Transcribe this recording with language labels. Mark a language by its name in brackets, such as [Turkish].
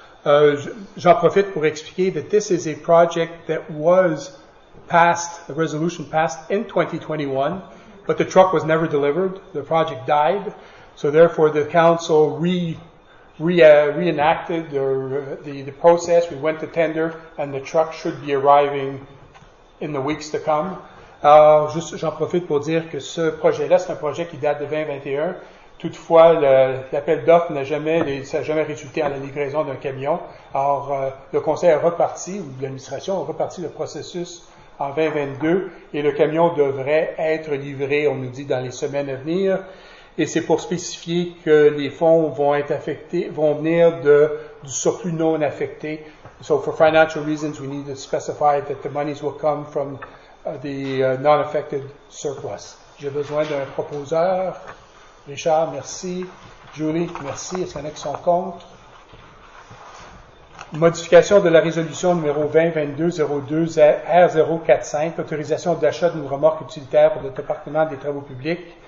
[French] J'en profite pour expliquer [English] that this is a project that was passed, the resolution passed in 2021, but the truck was never delivered. The project died. So therefore, the council reenacted the process. We went to tender, and the truck should be arriving in the weeks to come. [French] Alors, juste, j'en profite pour dire que ce projet-là, c'est un projet qui date de 2021. Toutefois, l'appel d'offres n'a jamais, ça n'a jamais résulté en la livraison d'un camion. Alors, le conseil a reparti, ou l'administration a reparti le processus en 2022, et le camion devrait être livré, on nous dit, dans les semaines à venir. Et c'est pour spécifier que les fonds vont être affectés, vont venir du surplus non affecté. [English] So, for financial reasons, we need to specify that the monies will come from the non-affected surplus. [French] J'ai besoin d'un proposeur. Richard, merci. Julie, merci. Est-ce qu'il y en a qui sont contre? Modification de la résolution numéro 2022-02-R045, autorisation d'achat d'une remorque utilitaire pour le département des travaux publics.